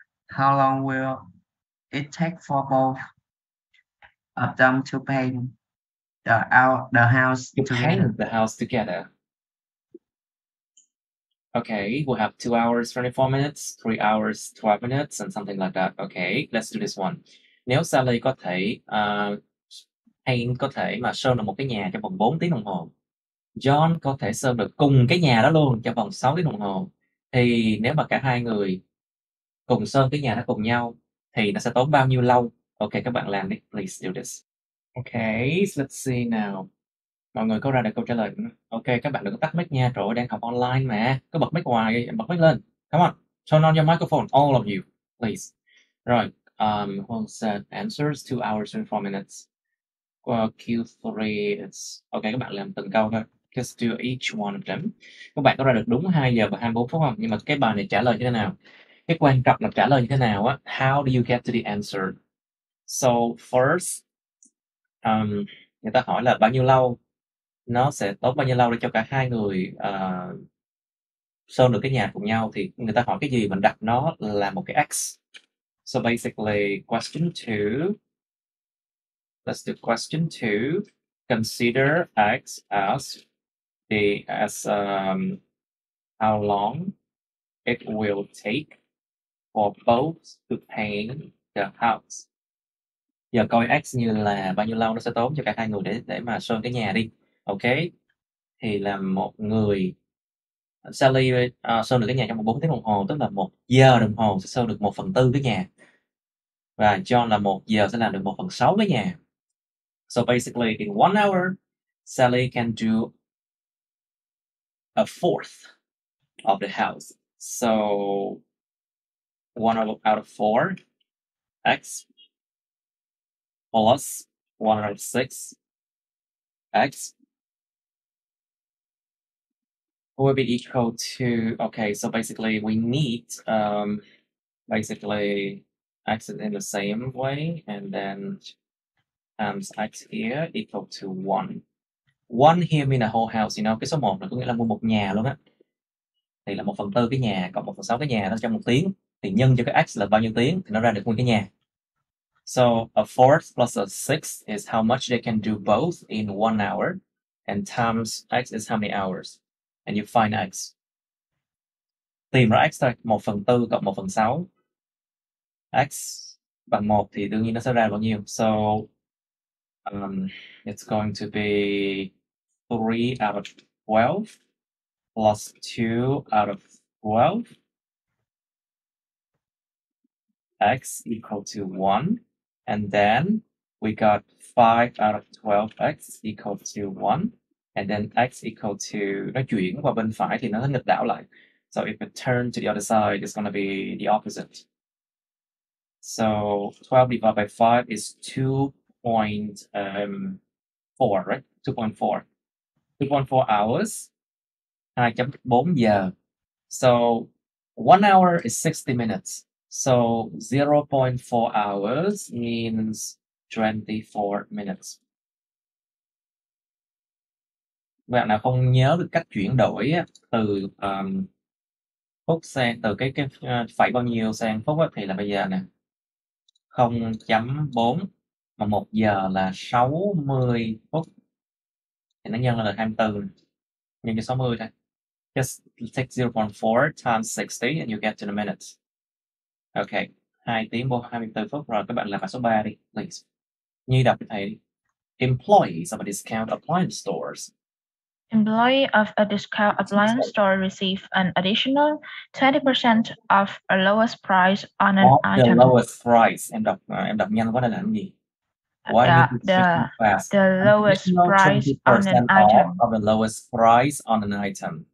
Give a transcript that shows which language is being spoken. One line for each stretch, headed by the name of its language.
English: How long will it take for both of them to paint the house To paint together? the house together. Okay, we'll have 2 hours, 24 minutes, 3 hours, 12 minutes, and something like that. Okay, let's do this one.
Vietnamese: Nếu Sally có thể paint, có thể mà sơn được một cái nhà trong vòng 4 tiếng đồng hồ, John có thể sơn được cùng cái nhà đó luôn trong vòng 6 tiếng đồng hồ, thì nếu mà cả hai người cùng sơn cái nhà đó cùng nhau thì nó sẽ tốn bao nhiêu lâu? Ok, các bạn làm đi.
English: Please do this. Okay, let's see now.
Vietnamese: Mọi người có ra được câu trả lời không? Ok, các bạn đừng có tắt mic nha. Trời ơi, đang học online mà. Cứ bật mic hoài, bật mic lên.
English: Come on, turn on your microphone, all of you, please. Rồi, who said answers 2 hours and 4 minutes? Q3, it's...
Vietnamese: Ok, các bạn làm từng câu thôi.
English: Just do each one of them.
Vietnamese: Các bạn có ra được đúng 2 giờ và 24 phút không? Nhưng mà cái bài này trả lời như thế nào? Cái quan trọng là trả lời như thế nào á?
English: How do you get to the answer? So, first,
Vietnamese: người ta hỏi là bao nhiêu lâu? nó sẽ tốn bao nhiêu lâu để cho cả hai người sơn được cái nhà cùng nhau, thì người ta hỏi cái gì mình đặt nó là một cái X.
English: So basically, let's do question two, consider X as the as how long it will take for both to paint the house.
Vietnamese: Giờ coi X như là bao nhiêu lâu nó sẽ tốn cho cả hai người để mà sơn cái nhà đi. Ok, thì là một người Sally sơn được cái nhà trong 14 tiếng đồng hồ, tức là 1 giờ đồng hồ sẽ sơn được 1/4 cái nhà, và John là 1 giờ sẽ làm được 1/6 cái nhà.
English: So basically in 1 hour Sally can do a fourth of the house. So one out of four X plus one out of six X will be equal to, okay, so basically we need basically X in the same way, and then times X here equal to one. One here mean a whole house, you know,
Vietnamese: cái số 1 là có nghĩa là mua một nhà luôn á. Thì là 1/4 cái nhà, cộng 1/6 cái nhà đó trong 1 tiếng. Thì nhân cho cái X là bao nhiêu tiếng, thì nó ra được nguyên cái nhà.
English: So a fourth plus a sixth is how much they can do both in 1 hour, and times X is how many hours. And you find X.
Vietnamese: Tìm ra X là 1/4 cộng 1/6. X bằng 1 thì đương nhiên nó sẽ ra bao nhiêu.
English: So, it's going to be 3 out of 12 plus 2 out of 12. X equal to 1. And then we got 5 out of 12 X equal to 1. And then X equal to,
Vietnamese: nó chuyển qua bên phải thì nó nghịch đảo lại.
English: So if it turn to the other side, it's going to be the opposite. So 12 divided by 5 is 2.4, right? 2.4. 2.4 hours, 2.4 giờ. So 1 hour is 60 minutes. So 0.4 hours means 24 minutes.
Vietnamese: Bạn nào không nhớ được cách chuyển đổi á, từ phút sang từ cái phẩy bao nhiêu sang phút á, thì là bây giờ nè 0.4 mà 1 giờ là 60 phút, thì nó nhân lên là 24, nhân cho 60 thôi.
English: Just take 0.4 times 60 and you get to the minutes.
Vietnamese: Ok, 2 tiếng vô 24 phút rồi. Các bạn làm bài số 3 đi, please. Như đọc thầy đi.
English: Employees of a discount appliance stores. Employee of a discount appliance store receive an additional 20% of a lowest price on an What the item. lowest price?
Vietnamese: Em đọc nhanh quá đây là cái gì?
English: Why do you need to speak fast? The lowest Additional price on 20% an item. off of the lowest price on an item.